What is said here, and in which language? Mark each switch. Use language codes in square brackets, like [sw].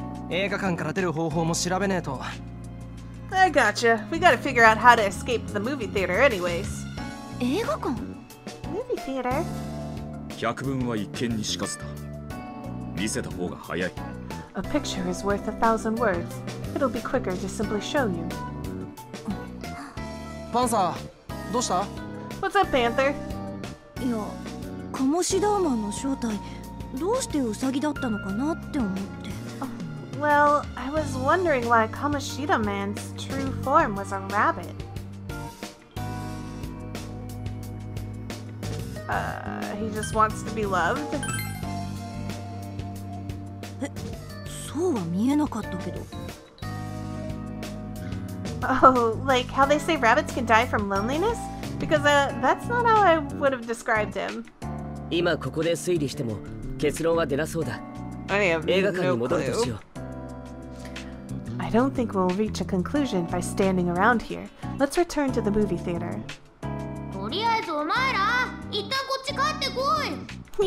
[ja] 映画館から出る方法も調べねえと。 [en] I gotcha. We gotta figure out how to escape the movie theater anyways. [ja] 映画館? [en] Movie theater? [ja] 百聞は一見にしかずだ。見せた方が早い。 [en] A picture is worth a thousand words. It'll be quicker to simply show you. [ja] パンサー、どうした? [en] What's up, Panther? [ja] いや、カモシダーマンの正体、どうしてウサギだったのかなって思って。 [en] Well, I was wondering why Kamoshida Man's true form was a rabbit. He just wants to be loved? [ja] そうは見えなかったけど。 [en] Oh, like how they say rabbits can die from loneliness? Because, that's not how I would have described him. [ja] 今ここで推理しても結論は出なそうだ。映画館に戻るとしよう。 [en] I don't think we'll reach a conclusion by standing around here. Let's return to the movie theater. [ja] とりあえずお前ら、一旦こっち帰ってこい。